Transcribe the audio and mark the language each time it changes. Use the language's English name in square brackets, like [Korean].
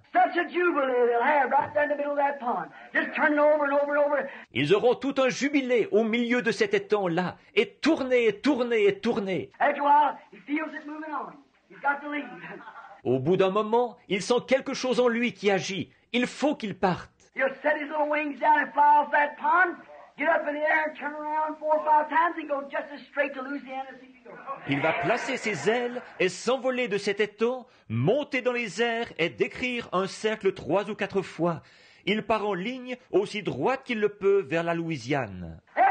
[English] Such a jubilee they'll have right there in the middle of that pond. Just turning over and over and over. [French] Ils auront tout un jubilé au milieu de cet étang là, et tourner et tourner et tourner. [English] After a while, he feels it moving on. He's got to leave. [French] Au bout d'un moment, il sent quelque chose en lui qui agit. Il faut qu'il parte. [English] He'll set his little wings down and fly off that pond. Get up in the air and turn around four or five times and go just as straight to Louisiana as he can. [French] Il va placer ses ailes et s'envoler de cet étang, monter dans les airs et décrire un cercle trois ou quatre fois. Il part en ligne aussi droite qu'il le peut vers la Louisiane.